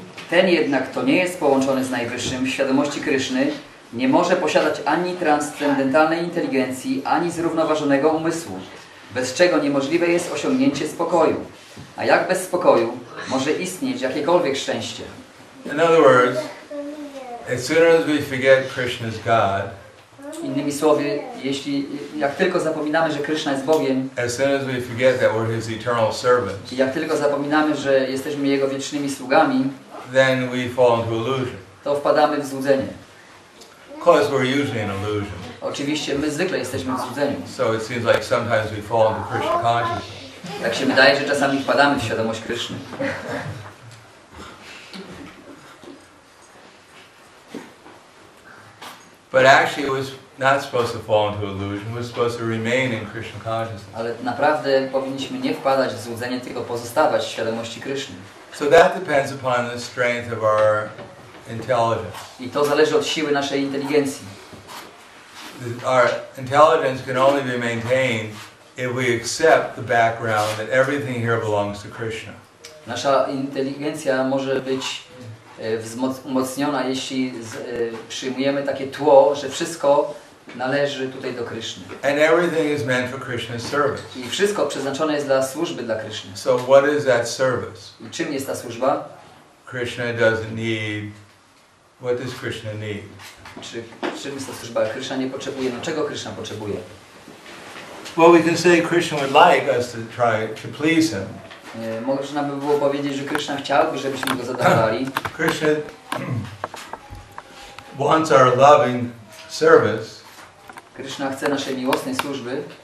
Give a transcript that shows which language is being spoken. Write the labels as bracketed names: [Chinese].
[Polish] Ten jednak, kto nie jest połączony z Najwyższym w świadomości Kryszny, nie może posiadać ani transcendentalnej inteligencji, ani zrównoważonego umysłu, bez czego niemożliwe jest osiągnięcie spokoju. A jak bez spokoju może istnieć jakiekolwiek szczęście? [English] In other words, as soon as we forget Krishna's God, [Polish] innymi słowy, jeśli jak tylko zapominamy, że Krishna jest Bogiem, [English] as soon as we forget that we're His eternal servants, [Polish] jak tylko zapominamy, że jesteśmy Jego wiecznymi sługami, [English] then we fall into illusion. [Polish] To wpadamy w złudzenie. [English] Because we're usually in illusion. [Polish] Oczywiście, my zwykle jesteśmy w złudzeniu. [English] So it seems like sometimes we fall into Krishna consciousness. [Polish] Tak się wydaje, że czasami wpadamy w świadomość Kryszny. [English] But actually it was not supposed to fall into illusion, it was supposed to remain in Krishna consciousness. [Polish] Ale naprawdę powinniśmy nie wpadać w złudzenie, tylko pozostawać w świadomości Kryszny. [English] So that depends upon the strength of our intelligence. [Polish] I to zależy od siły naszej inteligencji. [English] Our intelligence can only be maintained if we accept the background that everything here belongs to Krishna. [Polish] Nasza inteligencja może być umocniona, jeśli przyjmujemy takie tło, że wszystko należy tutaj do Kryszny. [English] And everything is meant for Krishna's service. [Polish] I wszystko przeznaczone jest dla służby dla Kryszny. [English] So what is that service? [Polish] I czym jest ta służba? [English] Krishna doesn't need What does Krishna need? [Polish] Czym jest ta służba? Krishna nie potrzebuje. No czego Krishna potrzebuje? [English] Well, we can say Krishna would like us to try to please him. [Polish] Można by było powiedzieć, że Krishna chciałby, żebyśmy go zadowalali. Krishna wants our loving service. Krishna chce naszej miłosnej służby.